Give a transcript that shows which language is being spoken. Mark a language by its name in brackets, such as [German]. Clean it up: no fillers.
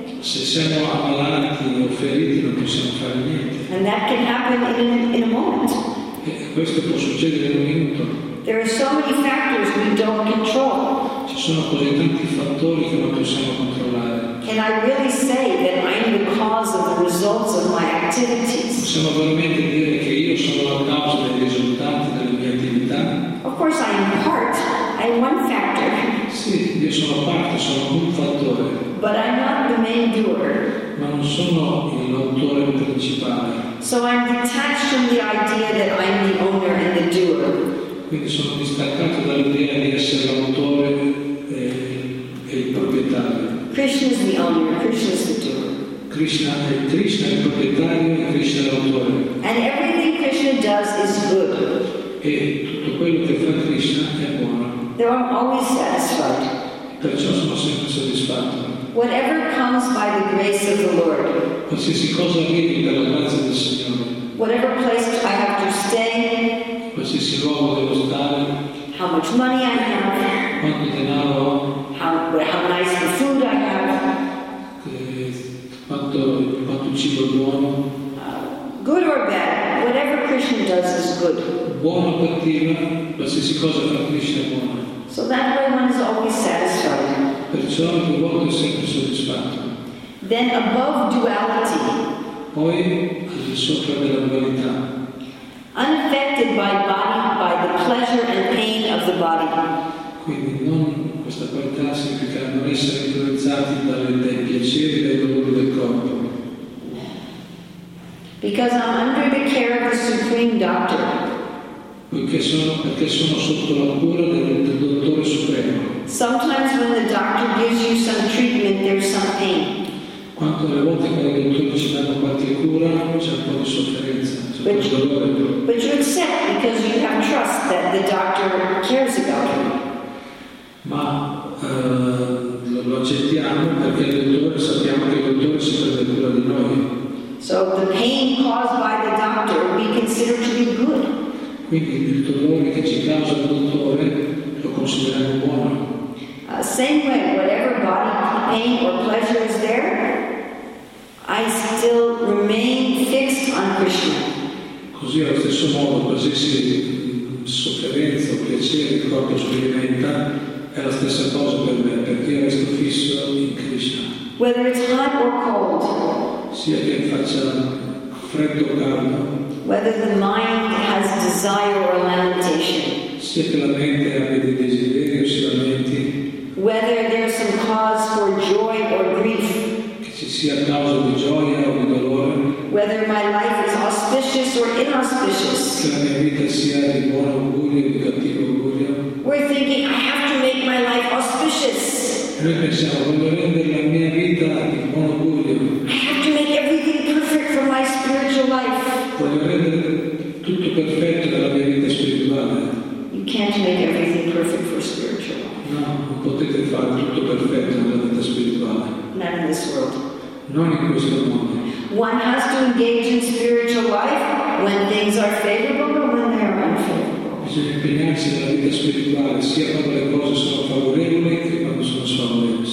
[Italian] Se siamo ammalati o feriti, non possiamo fare niente. [English] And that can happen in a moment. [Italian] E questo può succedere in un minuto. [English] There are so many factors we don't control. [Italian] Ci sono così tanti fattori che non possiamo controllare. [English] Can I really say that I'm the cause of the results of my activities? [Italian] Possiamo veramente dire che io sono la causa dei risultati delle mie attività? [English] Of course I am part. I am one factor. [Italian] Sì, io sono parte, sono un fattore. [English] But I'm not the main doer. [Italian] Ma non sono il l'autore principale. [English] So I'm detached from the idea that I'm the owner and the doer. [Italian] Quindi sono distaccato dall'idea di essere l'autore e il proprietario. [English] Krishna is the owner, Krishna is the doer. [Italian] Krishna è il proprietario e Krishna è l'autore. [English] And everything Krishna does is good. [Italian] E tutto quello che fa Krishna è buono. [English] They are always satisfied. [Italian] Perciò sono sempre soddisfatto. [English] Whatever comes by the grace of the Lord. [Italian] Qualsiasi cosa viene dalla grazia del Signore. [English] Whatever place I have to stay. [Italian] Qualsiasi luogo devo stare. [English] How much money I have. [Italian] Quanto denaro ho. [English] How nice the food I have. [Italian] Quanto cibo buono. [English] Good or bad, whatever Krishna does is good. [Italian] Buono cattivo, qualsiasi cosa fa Krishna è buono. [English] So that way one is always satisfied. [Italian] Perciò il mondo è sempre soddisfatto. [English] Then above duality. [Italian] Poi al di sopra della dualità. [English] Unaffected by body, by the pleasure and pain of the body. [Italian] Quindi non questa qualità significa non essere influenzati dai piaceri e dai dolori del corpo. [English] Because I'm under the care of the supreme doctor. [Italian] Perché sono sotto la cura del dottore supremo. [English] Sometimes when the doctor gives you some treatment, there's some pain. [Italian] Quanto le volte che il dottore ci dà qualche cura, c'è un po' di sofferenza, c'è un po' di dolore. [English] But you accept because you have trust that the doctor cares about you. [Italian] Ma lo accettiamo perché il dottore, sappiamo che il dottore si prende cura di noi. [English] So the pain caused by the doctor we consider to be good. [Italian] Quindi il dolore che ci causa il dottore lo consideriamo buono. [English] Same way, whatever body pain or pleasure is there, I still remain fixed on Krishna. [Italian] Così allo stesso modo, qualsiasi sofferenza o piacere il corpo sperimenta, è la stessa cosa per me, perché resto fisso in Krishna. [English] Whether it's hot or cold. [Italian] Sia che faccia freddo o caldo. [English] Whether the mind has desire or lamentation. [Italian] Sia che la mente abbia dei desideri o si lamenti. [English] Whether there's some cause for joy or grief. [Italian] Che ci sia causa di gioia o di dolore. [English] Whether my life is auspicious or inauspicious. [Italian] Che la mia vita sia di buon augurio o di cattivo augurio. [English] We're thinking, I have to make my life auspicious. [Italian] Noi pensiamo, voglio rendere la mia vita di buon augurio. [English] I have to make everything perfect for my spiritual life. [Italian] Voglio rendere tutto perfetto per la mia vita spirituale. [English] You can't make everything perfect for spiritual life. [Italian] No, non potete fare tutto perfetto nella vita spirituale. [English] Not in this world. [Italian] Non in questo mondo. [English] One has to engage in spiritual life when things are favorable or when they are unfavorable. [Italian] Bisogna impegnarsi nella vita spirituale sia quando le cose sono favorevoli che quando sono sfavorevoli.